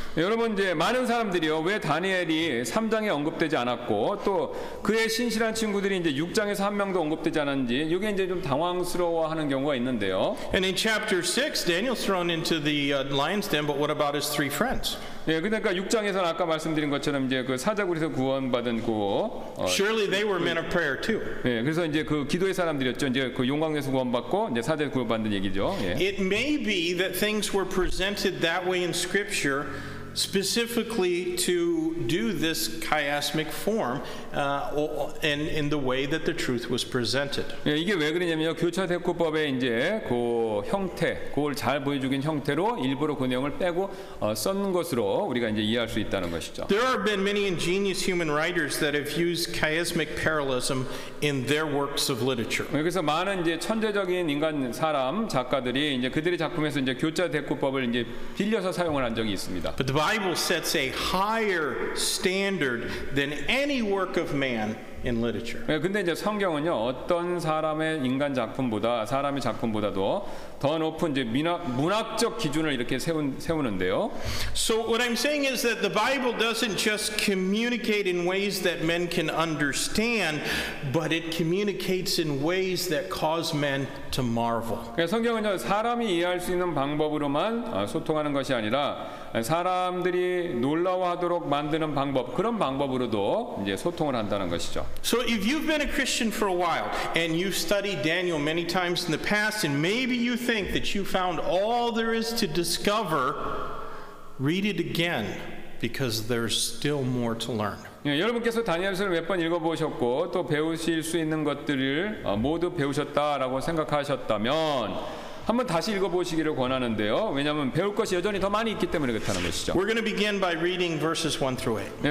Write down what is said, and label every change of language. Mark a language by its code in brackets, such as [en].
[ko] 여러분 이제 많은 사람들이요. 왜 다니엘이 3장에 언급되지 않았고 또 그의 신실한 친구들이 이제 6장에서 한 명도 언급되지 않았는지 이게 이제 좀 당황스러워하는 경우가 있는데요. [en] And in chapter 6, Daniel's thrown into the lion's den, but what about his three friends? [ko] 예, 그러니까 6장에서 아까 말씀드린 것처럼 이제 그 사자굴에서 구원받은 그 [en] Surely they were men of prayer too. [ko] 예, 그래서 이제 그 기도의 사람들이었죠. 이제 그 용광에서 구원받고 이제 사자굴에서 구원받는 얘기죠. 예. [en] It may be that things were presented that way in scripture specifically to do this chiasmic form and in the way that the truth was presented. [ko] 예, 이게 왜 그러냐면요. 교차 대꾸법의 이제 그 형태, 그걸 잘 보여주긴 형태로 일부러 그 내용을 빼고 썼는 것으로 우리가 이제 이해할 수 있다는 것이죠. [en] There have been many ingenious human writers that have used chiasmic parallelism in their works of literature. [ko] 그래서 많은 이제 천재적인 인간 사람 작가들이 이제 그들의 작품에서 이제 교차 대꾸법을 이제 빌려서 사용을 한 적이 있습니다. [en] The Bible sets a higher standard than any work of man in literature. [ko] 예, 근데 이제 성경은요 어떤 사람의 인간 작품보다 사람의 작품보다도 더 높은 이제 문학적 기준을 이렇게 세우는데요. [en] So what I'm saying is that the Bible doesn't just communicate in ways that men can understand, but it communicates in ways that cause men to marvel. [ko] 예, 성경은요 사람이 이해할 수 있는 방법으로만 소통하는 것이 아니라 사람들이 놀라워하도록 만드는 방법 그런 방법으로도 이제 소통을 한다는 것이죠. [en] So if you've been a Christian for a while and you've studied Daniel many times in the past and maybe you think that you found all there is to discover, read it again because there's still more to learn. [ko] 예, 여러분께서 다니엘서를 몇 번 읽어보셨고 또 배우실 수 있는 것들을 모두 배우셨다라고 생각하셨다면 한번 다시 읽어보시기를 권하는데요. 왜냐하면 배울 것이 여전히 더 많이 있기 때문에 그렇다는 것이죠. [en] We're going to begin by reading verses 1 through 8.